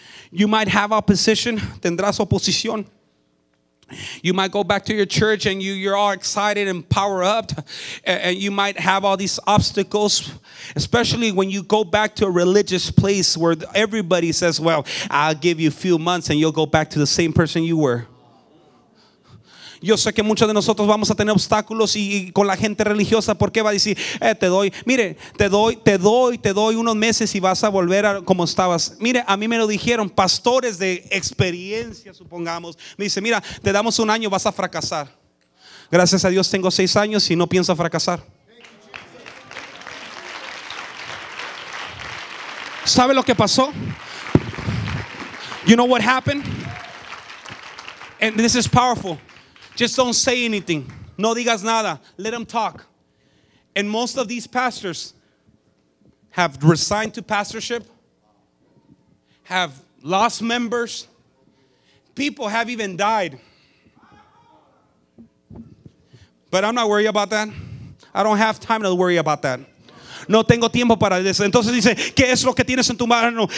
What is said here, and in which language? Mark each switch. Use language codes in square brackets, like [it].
[en] You might have opposition. [es] Tendrás oposición. [en] You might go back to your church and you're all excited and power up, and you might have all these obstacles, especially when you go back to a religious place where everybody says, well, I'll give you a few months and you'll go back to the same person you were. [es] Yo sé que muchos de nosotros vamos a tener obstáculos y con la gente religiosa, porque va a decir, te doy, mire, te doy unos meses y vas a volver a como estabas. Mire, a mí me lo dijeron pastores de experiencia, supongamos. Me dice, mira, te damos un año, vas a fracasar. Gracias a Dios tengo 6 años y no pienso fracasar. ¿Sabe lo que pasó? [en] You know what happened? And this is powerful. Just don't say anything. [es] No digas nada. [en] Let them talk. And most of these pastors have resigned to pastorship, have lost members. People have even died. But I'm not worried about that. I don't have time to worry about that. [es] No tengo tiempo para eso. Entonces dice, ¿qué es lo que tienes en tu mano?